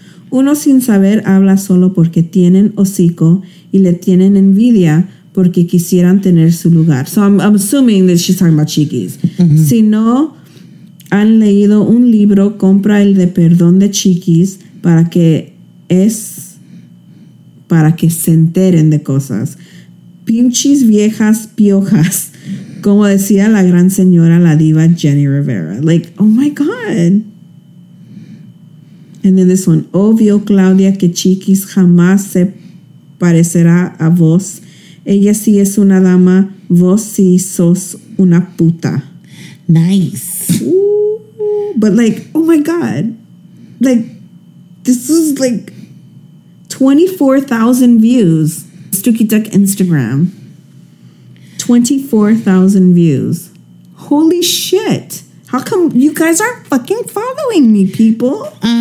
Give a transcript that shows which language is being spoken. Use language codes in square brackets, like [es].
[es] Uno sin saber habla solo porque tienen hocico y le tienen envidia porque quisieran tener su lugar. [en] So I'm assuming that she's talking about Cheekies. Mm-hmm. [es] Si no han leído un libro, compra el de perdón de Cheekies para que se enteren de cosas. Pinches viejas piojas, como decía la gran señora, la diva Jenny Rivera. [en] Like, oh my God. And then this one, [es] obvio, Claudia, que Cheekies jamás se parecerá a vos. Ella sí es una dama, vos sí sos una puta. [en] Nice. But like, oh my God, like, this is like 24,000 views. Stooky Duck Instagram, 24,000 views. Holy shit. How come you guys aren't fucking following me, people?